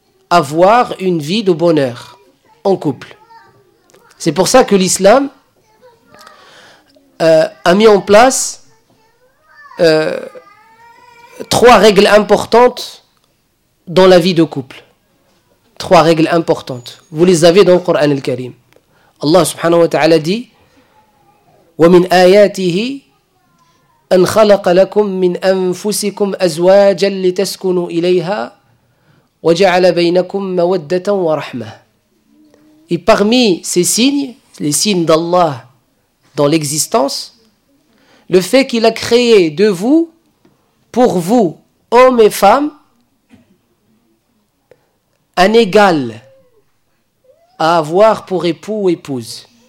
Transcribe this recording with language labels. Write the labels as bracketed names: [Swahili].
[French] Avoir une vie de bonheur en couple. C'est pour ça que l'islam a mis en place trois règles importantes dans la vie de couple. Trois règles importantes. Vous les avez dans le Coran al-Karim. [Arabic] Allah subhanahu wa ta'ala dit وَمِنْ آيَاتِهِ أَنْ خَلَقَ لَكُمْ مِنْ أَنْفُسِكُمْ أَزْوَاجًا لِتَسْكُنُوا إِلَيْهَا وَجَعَلَ بَيْنَكُمْ مَوَدَّةً وَرَحْمَةً. [French] Et parmi ces signes, les signes d'Allah dans l'existence, le fait qu'il a créé de vous, pour vous, hommes et femmes, un égal à avoir pour époux ou épouse.